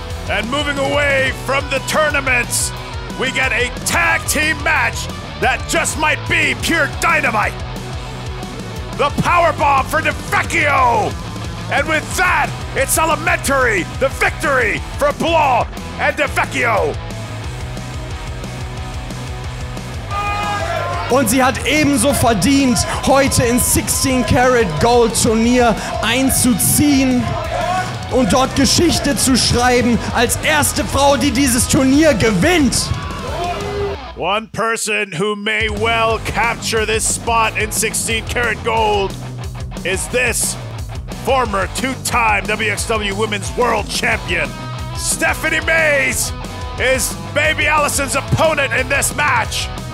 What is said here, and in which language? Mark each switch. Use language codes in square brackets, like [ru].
[en] And moving away from the tournaments, we get a tag team match that just might be pure dynamite. The powerbomb for DeVecchio. And with that, it's elementary, the victory for Blaw and DeVecchio. [de] Und sie hat ebenso verdient, heute in 16 Karat Gold Turnier einzuziehen und dort Geschichte zu schreiben als erste Frau, die dieses Turnier gewinnt. [en] One person who may well capture this spot in 16 Karat Gold is this former two-time wXw Women's World Champion. Stephanie Mays is Baby Allison's opponent in this match.